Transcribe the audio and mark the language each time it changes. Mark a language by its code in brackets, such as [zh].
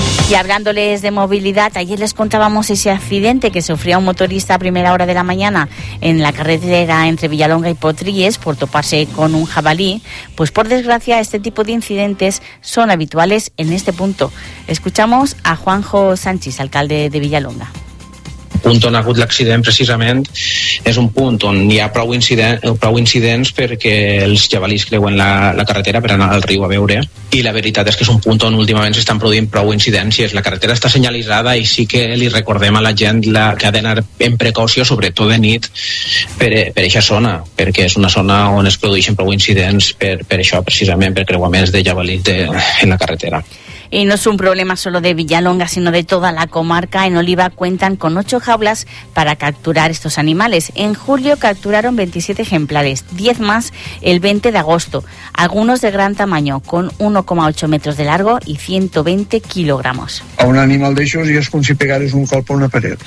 [es] Y hablándoles de movilidad, ayer les contábamos ese accidente que sufrió un motorista a primera hora de la mañana en la carretera entre Villalonga y Potríes por toparse con un jabalí. Pues por desgracia, este tipo de incidentes son habituales en este punto. Escuchamos a Juanjo Sánchez, alcalde de Villalonga. [ca] El punt on ha hagut l'accident, precisament, és un punt on hi ha prou incidents perquè els jabalís creuen la carretera per anar al riu a veure. I la veritat és que és un punt on últimament s'estan produint prou incidències. La carretera està senyalitzada i sí que li recordem a la gent que ha d'anar en precaució, sobretot de nit, per aquesta zona, perquè és una zona on es produeixen prou incidents per això, precisament, per creuaments de jabalís en la carretera. [es] Y no es un problema solo de Villalonga, sino de toda la comarca. En Oliva cuentan con 8 jaulas para capturar estos animales. En julio capturaron 27 ejemplares, 10 más el 20 de agosto. Algunos de gran tamaño, con 1,8 metros de largo y 120 kilogramos. A un animal de esos ya es como si pegares un golpe a una pared.